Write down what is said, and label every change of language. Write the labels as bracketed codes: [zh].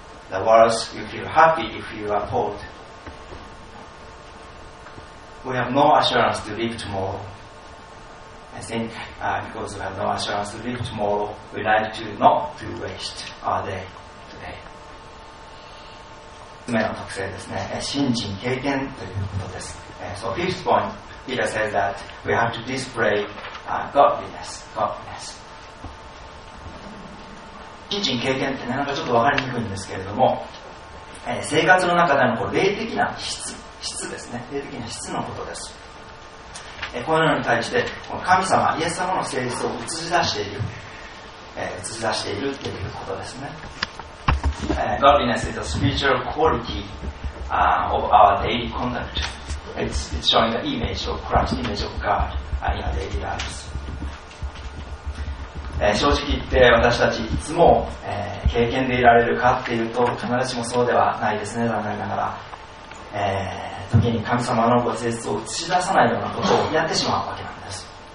[en] The words you feel happy if you are told. We have no assurance to live tomorrow. I think because we have no assurance to live tomorrow, we like to not to waste our day today. [ja] 目の特性ですね。信心経験ということです。 [en] So fifth point, Peter says that we have to display godliness. [ja] 信心経験ってなんかちょっとわかりにくいんですけれども、生活の中でのこう霊的な質ですね。霊的な質のことです。このように対して神様イエス様の性質を映し出している、映し出しているということですね。 [en] Godliness is a spiritual quality of our daily conduct. It's showing the image of Christ, the image of God in our daily lives. [ja] 正直言って私たちいつも、経験でいられるかっていうと必ずしもそうではないですね。残念ながら、時に神様のご性質を映し出さないようなことをやってしまうわけなんです。